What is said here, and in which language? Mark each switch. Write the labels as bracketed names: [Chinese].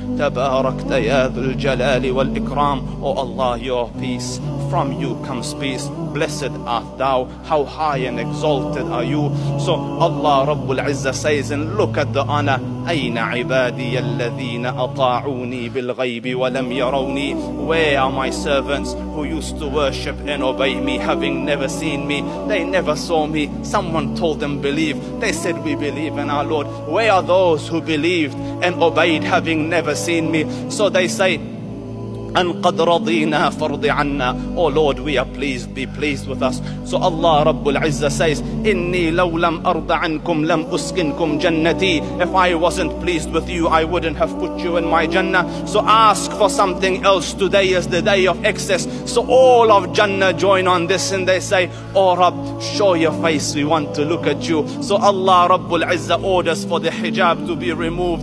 [Arabic] تباركت يا ذو الجلال والإكرام. [English] O Allah, your peace, from you comes peace. Blessed art thou, how high and exalted are you. So Allah [Arabic] رب العزة [English] says, and look at the honor. [Arabic] أين عبادي الذين أطاعوني بالغيب ولم يروني. [English] Where are my servants who used to worship and obey me, having never seen me? They never saw me. Someone told them, believe. They said, we believe in our Lord. Where are those who believed and obeyed, having never seen me? So they say, [Arabic] أن قد رضينا فرض عنا. [English] Oh Lord, we are pleased, be pleased with us. So Allah [Arabic] رب العزة [English] says, [Arabic] إني لو لم أرض عنكم لم أسكنكم جنتي. [English] If I wasn't pleased with you, I wouldn't have put you in my Jannah. So ask for something else. Today is the day of excess. So all of Jannah join on this and they say, Oh Rabb, show your face, we want to look at you. So Allah [Arabic] رب العزة [English] orders for the hijab to be removed.